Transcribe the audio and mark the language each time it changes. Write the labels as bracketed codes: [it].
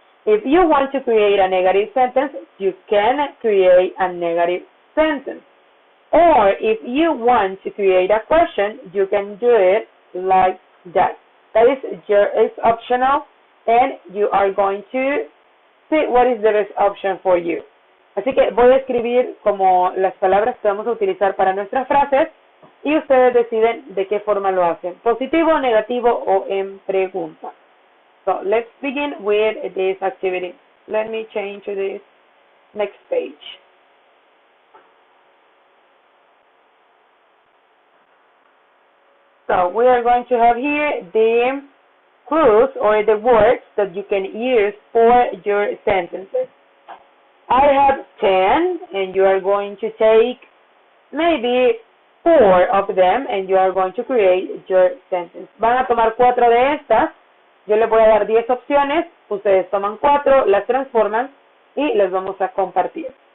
[en] If you want to create a negative sentence, you can create a negative sentence. Or if you want to create a question, you can do it like that. That is your, it's optional, and you are going to see what is the best option for you. [es] Así que voy a escribir como las palabras que vamos a utilizar para nuestras frases, y ustedes deciden de qué forma lo hacen, positivo, negativo, o en pregunta. [en] So, let's begin with this activity. Let me change to this next page. So, we are going to have here the clues or the words that you can use for your sentences. I have 10, and you are going to take maybe 4 of them, and you are going to create your sentence. [es] Van a tomar 4 de estas. Yo les voy a dar 10 opciones. Ustedes toman 4, las transforman, y las vamos a compartir.